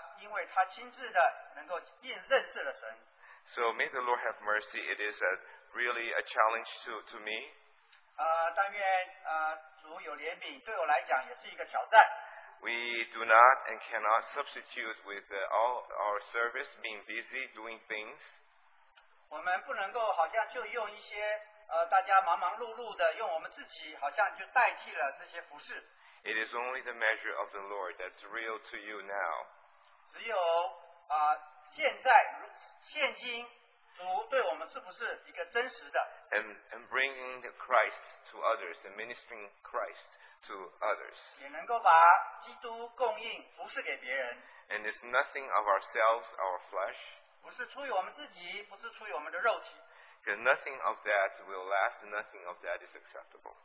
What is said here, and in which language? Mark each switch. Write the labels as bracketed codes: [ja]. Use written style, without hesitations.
[zh] 他就得到那个更高的意象，他因为他亲自的能够认识了神。 [en] So may the Lord have mercy. It is really a challenge to me. [zh] 但愿主有怜悯，对我来讲也是一个挑战。 [en] We do not and cannot substitute with all our service being busy doing things. [zh] 我们不能够好像就用一些大家忙忙碌碌的用我们自己好像就代替了这些服事。 [en] It is only the measure of the Lord that's real to you now. [zh] 只有现在,现今,主对我们是不是一个真实的? [en] And bringing the Christ to others, and ministering Christ to others. [zh] 也能够把基督供应,服侍给别人。 [en] And it's nothing of ourselves, our flesh. [zh] 不是出于我们自己,不是出于我们的肉体。 [en] Because nothing of that will last, nothing of that is acceptable.